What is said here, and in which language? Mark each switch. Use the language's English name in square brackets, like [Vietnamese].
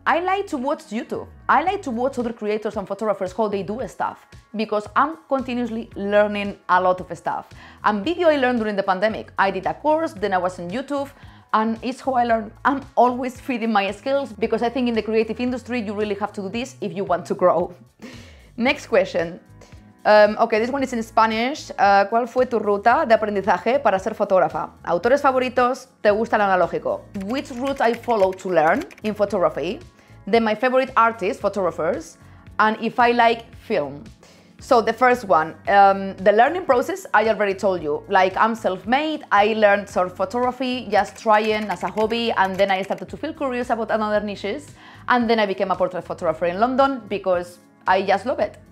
[English] I like to watch YouTube. I like to watch other creators and photographers how they do stuff because I'm continuously learning a lot of stuff. And video I learned during the pandemic. I did a course, then I was on YouTube, and it's how I learn. I'm always feeding my skills because I think in the creative industry, you really have to do this if you want to grow. Next question. Okay, this one is in Spanish. [Spanish] ¿Cuál fue tu ruta de aprendizaje para ser fotógrafa? ¿Autores favoritos? ¿Te gusta el analógico? [English] Which route I follow to learn in photography? Then my favorite artists, photographers, and if I like film. So the first one, the learning process, I already told you. Like, I'm self-made, I learned surf photography, just trying as a hobby, and then I started to feel curious about another niches, and then I became a portrait photographer in London because I just love it.